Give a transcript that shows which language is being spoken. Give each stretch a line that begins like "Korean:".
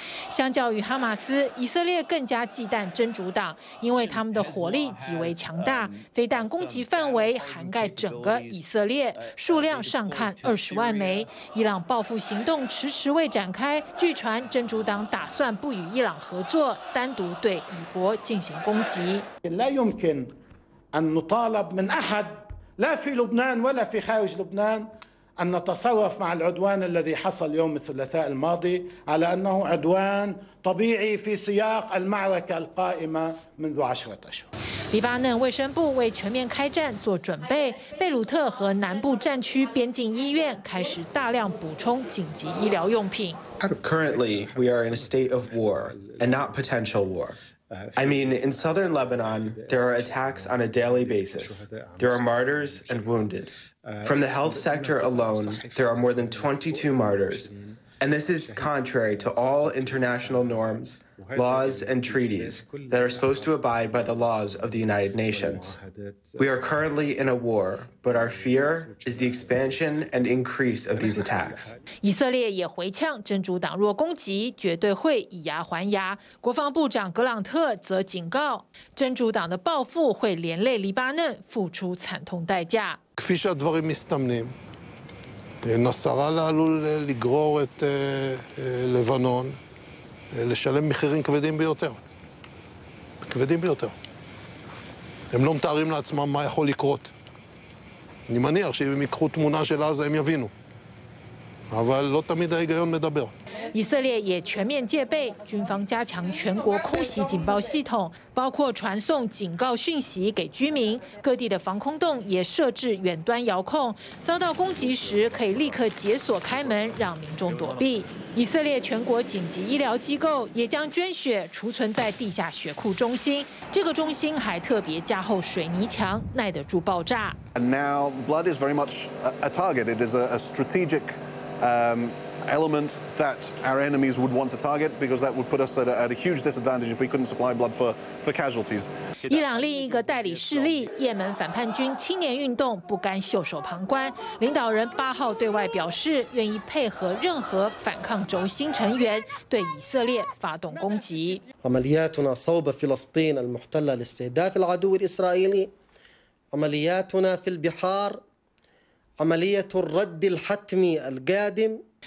Chinese: 相较于哈马斯，以色列更加忌惮真主党，因为他们的火力极为强大，飞弹攻击范围涵盖整个以色列，数量上看20万枚。伊朗报复行动迟迟未展开，据传真主党打算不与伊朗合作，单独对以国进行攻击。
Arabic: لا يمكن أن نطالب من أحد لا في لبنان ولا في خارج لبنان أن نتصرف مع العدوان الذي حصل يوم الثلاثاء الماضي على أنه عدوان طبيعي في سياق المعركة القائمة منذ 10 أشهر。
Chinese: 黎巴嫩卫生部为全面开战做准备，贝鲁特和南部战区边境医院开始大量补充紧急医疗用品。
English: Currently, we are in a state of war and not potential war. I mean, in southern Lebanon, there are attacks on a daily basis. There are martyrs and wounded. From the health sector alone, there are more than 22 martyrs. And this is contrary to all international norms. Laws and treaties that are supposed to abide by the laws of the United Nations. We are currently in a war, but our fear is the expansion and increase of these attacks.
Chinese: 以色列也回呛，真主党若攻击，绝对会以牙还牙。国防部长格朗特则警告，真主党的报复会连累黎巴嫩，付出惨痛代价。
Hebrew: כפי שהדברים מסתמנים, נסראללה עלול לגרור את לבנון. לשלם מחירים כבדים ביותר. כבדים ביותר. הם לא מתארים לעצמם מה יכול לקרות. אני מניח שאם הם יקחו תמונה של עזה הם יבינו. אבל לא תמיד ההיגיון מדבר.
Chinese: 以色列也全面戒备，军方加强全国空袭警报系统，包括传送警告讯息给居民。各地的防空洞也设置远端遥控，遭到攻击时可以立刻解锁开门，让民众躲避。以色列全国紧急医疗机构也将捐血储存在地下血库中心，这个中心还特别加厚水泥墙，耐得住爆炸。
English: And now blood is very much a target. It is a strategic. Element that our enemies would want to target because that would put us at a huge disadvantage if we couldn't supply blood for casualties.
Chinese: 伊朗另一个代理势力也门反叛军青年运动不甘袖手旁观，领导人8号对外表示愿意配合任何反抗轴心成员对以色列发动攻击。
Arabic: عملياتنا صوب فلسطين المحتلة لاستهداف العدو الإسرائيلي، عملياتنا في البحار، عملية الرد الحتمي القادم.